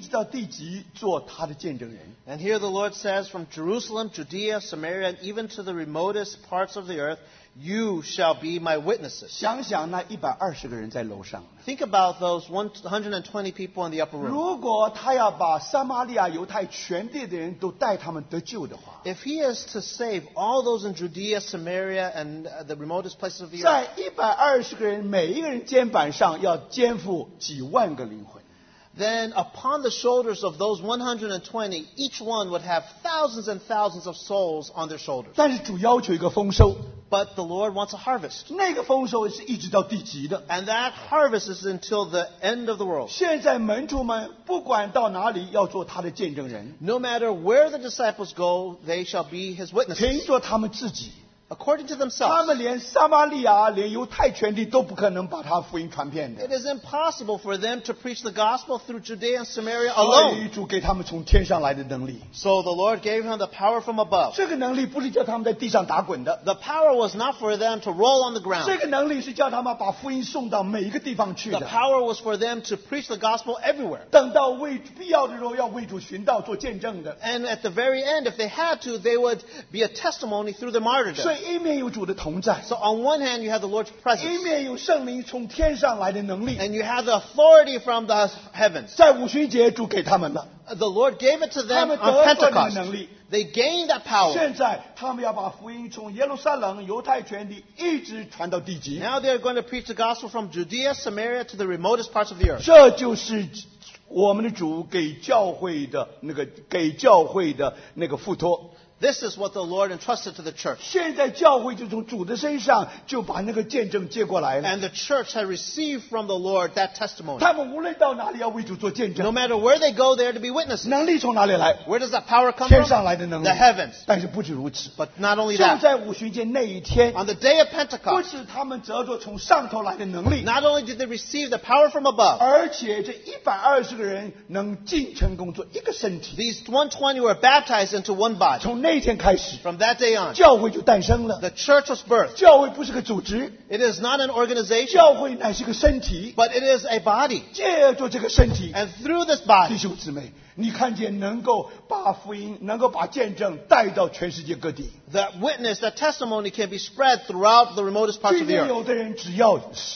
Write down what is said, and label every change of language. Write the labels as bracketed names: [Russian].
[Chinese] 那现在主告诉他们说，他们要从耶路撒冷、犹太全地和撒玛利亚一直到地极做他的见证人。 [English] And here the Lord says, from Jerusalem, Judea, Samaria, and even to the remotest parts of the earth, you shall be my witnesses. [Chinese] 想想那120个人在楼上, [English] think about those 120 people in the upper room. [Chinese] 如果他要把撒玛利亚犹太全地的人都带他们得救的话, [English] if he is to save all those in Judea, Samaria, and the remotest places of the earth, [Chinese] 在120个人每一个人肩膀上要肩负几万个灵魂, [English] then upon the shoulders of those 120, each one would have thousands and thousands of souls on their shoulders. [Chinese] 但是主要求一个丰收, [English] but the Lord wants a harvest. [Chinese] 那个丰收是一直到地极的, [English] and that harvest is until the end of the world. [Chinese] 现在门徒们不管到哪里要做他的见证人, [English] no matter where the disciples go, they shall be his witnesses. [Chinese] 凭着他们自己, [English] according to themselves, it is impossible for them to preach the gospel through Judea and Samaria alone. So the Lord gave them the power from above. The power was not for them to roll on the ground. The power was for them to preach the gospel everywhere. And at the very end, if they had to, they would be a testimony through the martyrdom. So on one hand, you have the Lord's presence. And you have the authority from the heavens. The Lord gave it to them on Pentecost. They gained that power. Now they are going to preach the gospel from Judea, Samaria, to the remotest parts of the earth. [Chinese] 这就是我们的主给教会的那个付托。 [English] This is what the Lord entrusted to the church. And the church had received from the Lord that testimony. No matter where they go, they are to be witnesses. [Chinese] 能力从哪里来? [English] Where does that power come from? The heavens. [Chinese] 但是不止如此, [English] but not only that. [Chinese] 就在五旬节那一天, [English] on the day of Pentecost, not only did they receive the power from above, [Chinese] 而且这120个人能进城工作, [English] these 120 were baptized into one body. From that day on, [Chinese] 教会就诞生了, [English] the church was birthed. [Chinese] 教会不是个组织, [English] it is not an organization, [Chinese] 教会乃是个身体, [English] but it is a body. [Chinese] 借着这个身体, [English] and through this body, [Chinese] 弟兄姊妹, 你看见能够把福音, 能够把见证带到全世界各地, [English] that witness, that testimony can be spread throughout the remotest parts of the earth.